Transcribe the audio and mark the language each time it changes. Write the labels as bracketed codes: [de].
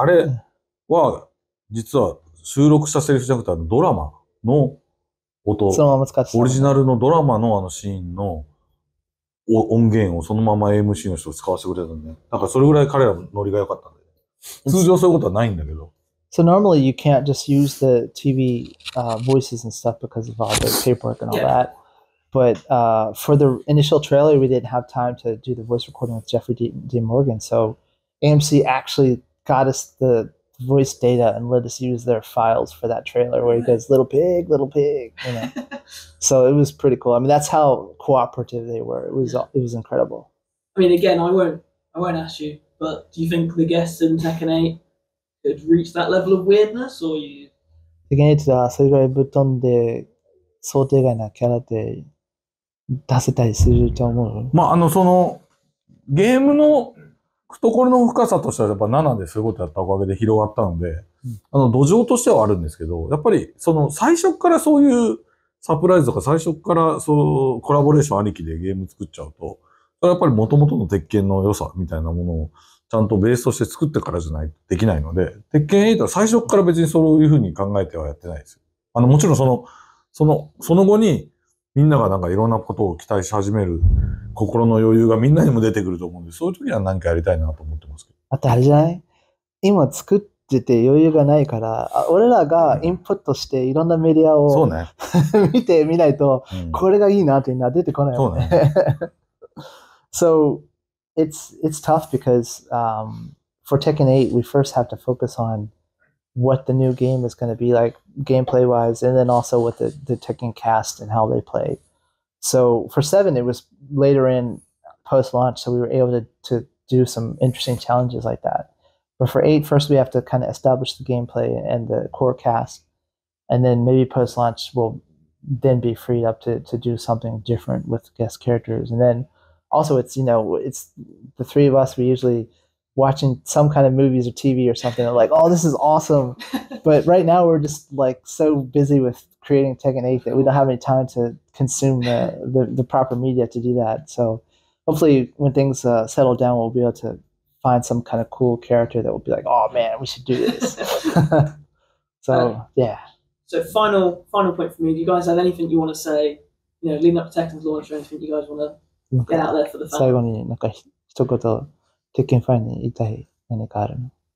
[ja] あれは実は収録したセリフじゃなくてドラマの音そのまま使ってた、オリジナルのドラマのあのシーンの音源をそのまま MC の人を使わせてくれたんで、なんかそれぐらい彼らのノリが良かったんで、通常そういうことはないんだけど。 [en] So normally you can't just use the TV voices and stuff because of all the paperwork and all that. But for the initial trailer, we didn't have time to do the voice recording with Jeffrey Dean Morgan. So AMC actually got us the voice data and let us use their files for that trailer where he goes, little pig, you know. So it was pretty cool. I mean, that's how cooperative they were. It was incredible. I mean, again, I won't ask you, but do you think the guests in Tekken 8 could reach that level of weirdness, or you? [ja] Tekken 8 はそれぐらいぶっ飛んで想定外なキャラで出せたりすると思う。まあそのゲームの懐の深さとしてはやっぱ7でそういうことやったおかげで広がったので、土壌としてはあるんですけど、やっぱりその最初からそういうサプライズとか最初からそうコラボレーションありきでゲーム作っちゃうと、やっぱり元々の鉄拳の良さみたいなものをちゃんとベースとして作ってからじゃないとできないので、鉄拳8は最初から別にそういうふうに考えてはやってないですよ。もちろんその後にみんながなんかいろんなことを期待し始める心の余裕がみんなにも出てくると思うんで、そういう時には何かやりたいなと思ってますけど。あとあれじゃない？今作ってて余裕がないから、俺らがインプットしていろんなメディアを、うん、そうね、見てみないと、うん、これがいいなっていうのは出てこないよね。そうね。 [en] So it's tough because for Tekken 8 we first have to focus on what the new game is going to be like gameplay wise, and then also with the Tekken cast and how they play. So for 7 it was later in post launch, so we were able to do some interesting challenges like that. But for 8, first we have to kind of establish the gameplay and the core cast, and then maybe post launch we'll then be freed up to do something different with guest characters. And then also, it's, you know, it's the three of us, we usually watching some kind of movies or TV or something, and like, oh, this is awesome. But right now we're just like so busy with creating Tekken 8 that we don't have any time to consume the proper media to do that. So hopefully when things settle down, we'll be able to find some kind of cool character that will be like, oh man, we should do this. So, yeah. So final point for me, do you guys have anything you want to say, you know, leading up to Tekken's launch or anything you guys want to [ja] 最後になんか一言鉄拳ファンに言いたい何かあるの？